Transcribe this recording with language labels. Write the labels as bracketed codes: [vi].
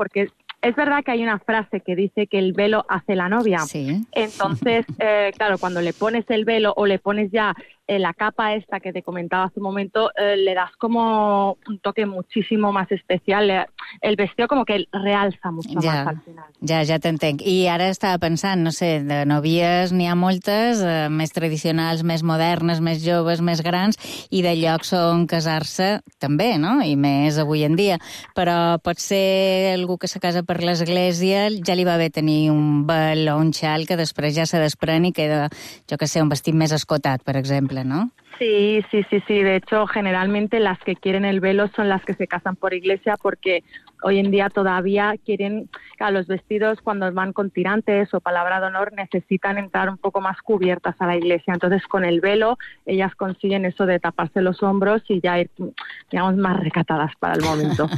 [es] Porque es verdad que hay una frase que dice que el velo hace la novia. Sí. Entonces, claro, cuando le pones el velo o le pones ya la capa esta que te comentaba hace un momento, le das como un toque muchísimo más especial. El vestido como que realza mucho ya, más al final. [ca] Ja, ja t'entenc. I ara estava pensant, no sé, de novies n'hi ha moltes, més tradicionals, més modernes, més joves, més grans, i de llocs on casar-se també, no? I més avui en dia. Però pot ser algú que se casa per l'església, ja li va bé tenir un vel o un xal que després ja se desprèn i queda, jo que sé, un vestit més escotat, per exemple. [es] ¿No? Sí, sí, sí, sí. De hecho, generalmente las que quieren el velo son las que se casan por iglesia, porque hoy en día todavía quieren, claro, los vestidos cuando van con tirantes o palabra de honor necesitan entrar un poco más cubiertas a la iglesia. Entonces, con el velo, ellas consiguen eso de taparse los hombros y ya ir, digamos, más recatadas para el momento.